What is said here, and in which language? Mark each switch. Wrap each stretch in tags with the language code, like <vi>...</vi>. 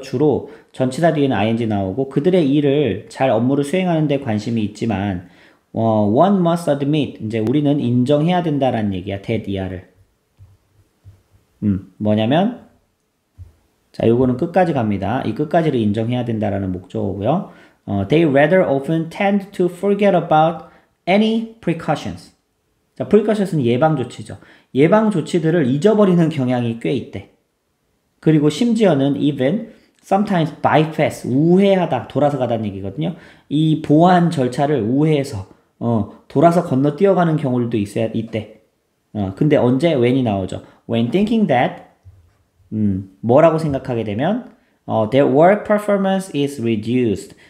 <ko>주로 전치사 뒤에는 ing 나오고 그들의 일을 잘 업무를 수행하는 데 관심이 있지만</ko> <en>one must admit</en> <ko>이제 우리는 인정해야 된다라는 얘기야. that 이하를. 뭐냐면 자 요거는 끝까지 갑니다. 이 끝까지를 인정해야 된다라는 목적어고요.</ko> <en>They rather often tend to forget about any precautions.</en> <ko>자, precautions는 예방 조치죠. 예방 조치들을 잊어버리는 경향이 꽤 있대. 그리고 심지어는</ko> <en>even sometimes bypass</en> <ko>우회하다 돌아서 가다는 얘기거든요. 이 보안 절차를 우회해서 돌아서 건너뛰어가는 경우들도 있대. 근데 언제 when이 나오죠?</ko> <en>When thinking that,</en> <ko>뭐라고 생각하게 되면,</ko> <en>their work performance is reduced.</en>